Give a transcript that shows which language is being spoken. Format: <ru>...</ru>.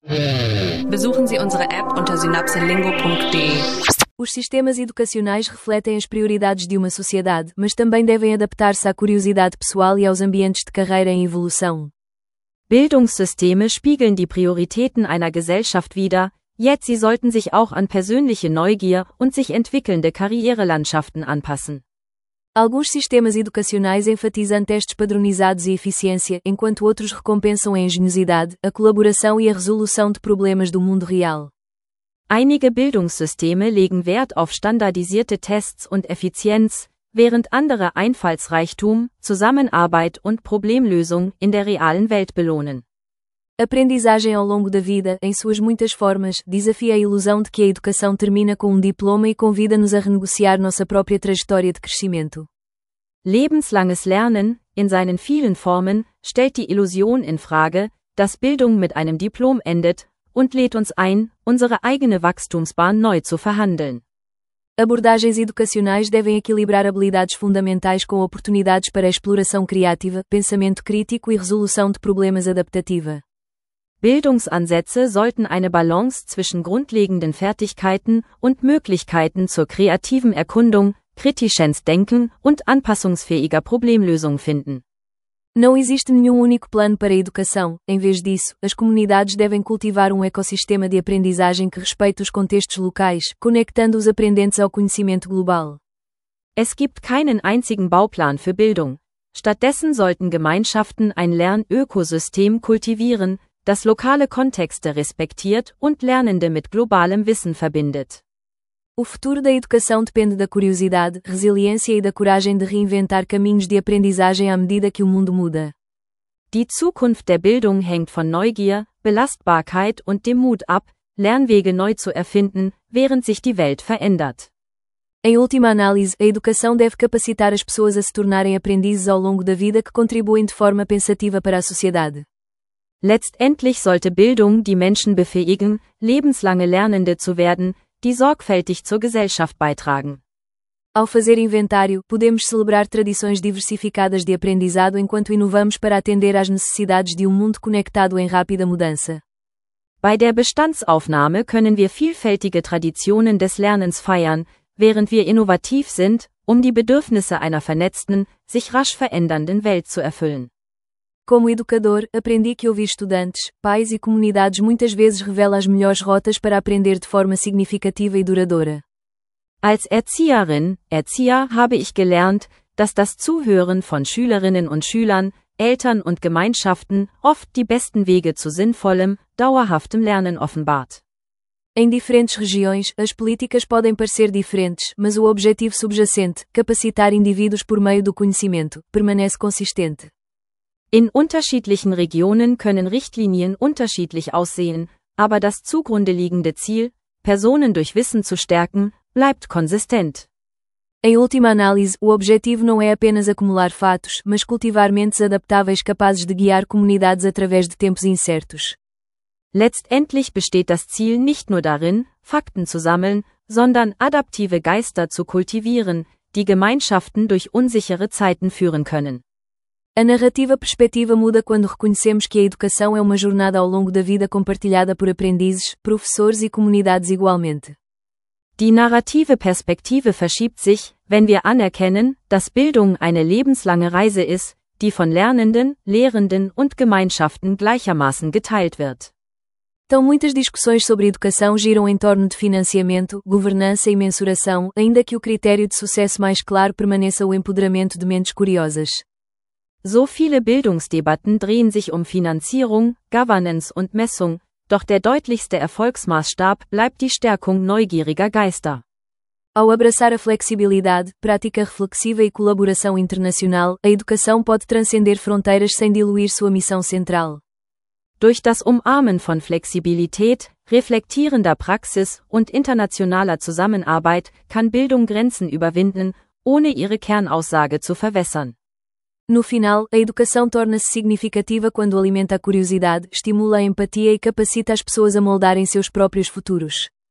<de>Besuchen Sie unsere App unter synapselingo.de.</de> <pt>Os sistemas educacionais refletem as prioridades de uma sociedade, mas também devem adaptar-se à curiosidade pessoal e aos ambientes de carreira em evolução.</pt> <de>Bildungssysteme spiegeln die Prioritäten einer Gesellschaft wider,</de> <en>yet</en> <de>sie sollten sich auch an persönliche Neugier und sich entwickelnde Karrierelandschaften anpassen.</de> <pt>Alguns sistemas educacionais enfatizam testes padronizados e eficiência, enquanto outros recompensam a engenhosidade, a colaboração e a resolução de problemas do mundo real.</pt> <de>Einige Bildungssysteme legen Wert auf standardisierte Tests und Effizienz, während andere Einfallsreichtum, Zusammenarbeit und Problemlösung in der realen Welt belohnen.</de> <pt>Aprendizagem ao longo da vida, em suas muitas formas, desafia a ilusão de que a educação termina com diploma e convida-nos a renegociar nossa própria trajetória de crescimento.</pt> <de>Lebenslanges Lernen, in seinen vielen Formen, stellt die Illusion in Frage, dass Bildung mit einem Diplom endet, und lädt uns ein, unsere eigene Wachstumsbahn neu zu verhandeln.</de> <pt>Abordagens educacionais devem equilibrar habilidades fundamentais com oportunidades para exploração criativa, pensamento crítico e resolução de problemas adaptativa.</pt> <de>Bildungsansätze sollten eine Balance zwischen grundlegenden Fertigkeiten und Möglichkeiten zur kreativen Erkundung, kritisches Denken und anpassungsfähiger Problemlösung finden.</de> <pt>Não existe nenhum único plano para a educação. Em vez disso, as comunidades devem cultivar um ecossistema de aprendizagem que respeite os contextos locais, conectando os aprendentes ao conhecimento global.</pt> <de>Es gibt keinen einzigen Bauplan für Bildung. Stattdessen sollten Gemeinschaften ein Lernökosystem kultivieren, das lokale Kontexte respektiert und Lernende mit globalem Wissen verbindet.</de> <pt>O futuro da educação depende da curiosidade, resiliência e da coragem de reinventar caminhos de aprendizagem à medida que o mundo muda.</pt> <de>Die Zukunft der Bildung hängt von Neugier, Belastbarkeit und dem Mut ab, Lernwege neu zu erfinden, während sich die Welt verändert.</de> <pt>Em última análise, a educação deve capacitar as pessoas a se tornarem aprendizes ao longo da vida que contribuem de forma pensativa para a sociedade.</pt> <de>Letztendlich sollte Bildung die Menschen befähigen, lebenslange Lernende zu werden, die sorgfältig zur Gesellschaft beitragen.</de> <pt>Ao fazer inventário, podemos celebrar tradições diversificadas de aprendizado enquanto inovamos para atender às necessidades de mundo conectado em rápida mudança.</pt> <de>Bei der Bestandsaufnahme können wir vielfältige Traditionen des Lernens feiern, während wir innovativ sind, die Bedürfnisse einer vernetzten, sich rasch verändernden Welt zu erfüllen.</de> <pt>Como educador, aprendi que ouvir estudantes, pais e comunidades muitas vezes revela as melhores rotas para aprender de forma significativa e duradoura.</pt> <de>Als Erzieherin, Erzieher, habe ich gelernt, dass das Zuhören von Schülerinnen und Schülern, Eltern und Gemeinschaften oft die besten Wege zu sinnvollem, dauerhaftem Lernen offenbart.</de> <pt>Em diferentes regiões, as políticas podem parecer diferentes, mas o objetivo subjacente, capacitar indivíduos por meio do conhecimento, permanece consistente.</pt> <de>In unterschiedlichen Regionen können Richtlinien unterschiedlich aussehen, aber das zugrunde liegende Ziel, Personen durch Wissen zu stärken, bleibt konsistent.</de> <pt>Em última análise, o objetivo não é apenas acumular fatos, mas cultivar mentes adaptáveis capazes de guiar comunidades através de tempos incertos.</pt> <de>Letztendlich besteht das Ziel nicht nur darin, Fakten zu sammeln, sondern adaptive Geister zu kultivieren, die Gemeinschaften durch unsichere Zeiten führen können.</de> <pt>A narrativa perspectiva muda quando reconhecemos que a educação é uma jornada ao longo da vida compartilhada por aprendizes, professores e comunidades igualmente.</pt> <de>Die narrative Perspektive verschiebt sich, wenn wir anerkennen, dass Bildung eine lebenslange Reise ist, die von Lernenden, Lehrenden und Gemeinschaften gleichermaßen geteilt wird.</de> <pt>Tão muitas discussões sobre educação giram em torno de financiamento, governança e mensuração, ainda que o critério de sucesso mais claro permaneça o empoderamento de mentes curiosas.</pt> <de>So viele Bildungsdebatten drehen sich Finanzierung, Governance und Messung, doch der deutlichste Erfolgsmaßstab bleibt die Stärkung neugieriger Geister.</de> <pt>Ao abraçar a flexibilidade, prática reflexiva e colaboração internacional, a educação pode transcender fronteiras sem diluir sua missão central.</pt> <de>Durch das Umarmen von Flexibilität, reflektierender Praxis und internationaler Zusammenarbeit kann Bildung Grenzen überwinden, ohne ihre Kernaussage zu verwässern.</de> <pt>No final, a educação torna-se significativa quando alimenta a curiosidade, estimula a empatia e capacita as pessoas a moldarem seus próprios futuros.</pt>